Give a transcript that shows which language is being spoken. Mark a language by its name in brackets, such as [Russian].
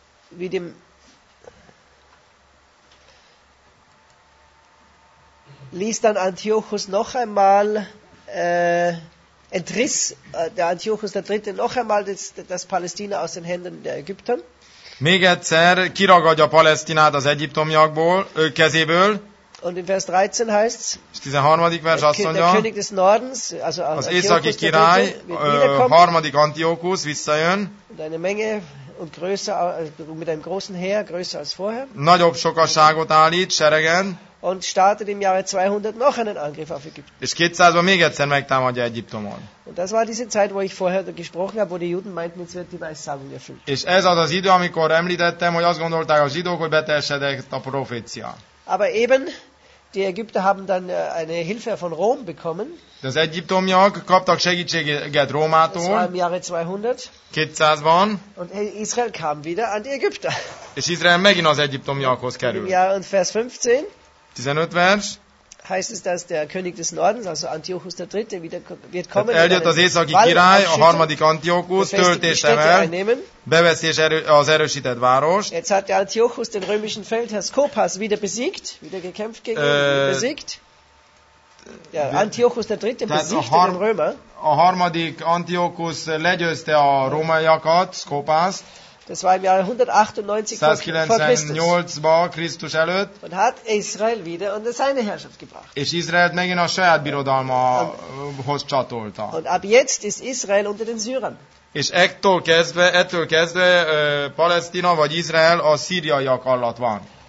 [German] Wie dem ließ dann Antiochus noch einmal entriss der Antiochus der Dritte noch einmal das Palästina aus den Händen der Ägypter. [Hungarian] Még egyszer kiragadja Palesztinát az egyiptomiakból, ő kezéből. [German] Und in Vers 13 heißt es. [Hungarian] És 13. vers azt mondja. [German] Der König des Nordens, also [Hungarian] az északi király, harmadik Antiochus visszajön. [German] Eine Menge und Größe mit einem großen Heer, größer als vorher. [Hungarian] Nagyobb sokasságot állít seregen. [German] Und startet im Jahre 200 noch einen Angriff auf Ägypten. [Hungarian] És 200-ban még egyszer megtámadja Egyiptomot. [German] Und das war diese Zeit, wo ich vorher gesprochen habe, wo die Juden meinten, jetzt wird die Weissagung erfüllt. [Hungarian] És ez az idő, amikor említettem, hogy azt gondolták a zsidók, hogy beteljesedett a profécia. [German] Aber eben, die Ägypter haben dann eine Hilfe von Rom bekommen. [Hungarian] De az egyiptomiak kaptak segítséget Rómától. [German] Das war im Jahre 200. [Hungarian] 200-ban. [German] Und Israel kam wieder an die Ägypter. [Hungarian] És Izrael megint az egyiptomiakhoz került. [German] Ja, und Vers 15. [Hungarian] 15 vers. [German] Heißt es, dass der König des Nordens, also Antiochus der Dritte, wieder wird kommen? [Hungarian] Tehát eljött az északi király, a harmadik Antiochus, töltésemel, beveszi az erősített várost. [German] Jetzt hat der Antiochus den römischen Feldherr Skopas wieder besiegt, wieder gekämpft gegen ihn, besiegt. Ja, Antiochus der Dritte besiegte den Römer. [Hungarian] A harmadik Antiochus legyőzte a rómaiakat, Skopas. [German] Das war im Jahre 198 vor Christus [Hungarian] előtt. [German] Und hat Israel wieder unter seine Herrschaft gebracht. [Hungarian] És Izrael megint a saját birodalmahoz csatolta. [German] Und ab jetzt ist Israel unter den Syrern. [Hungarian] És ettől kezdve Palesztina vagy Izrael a szíriaiak alatt van.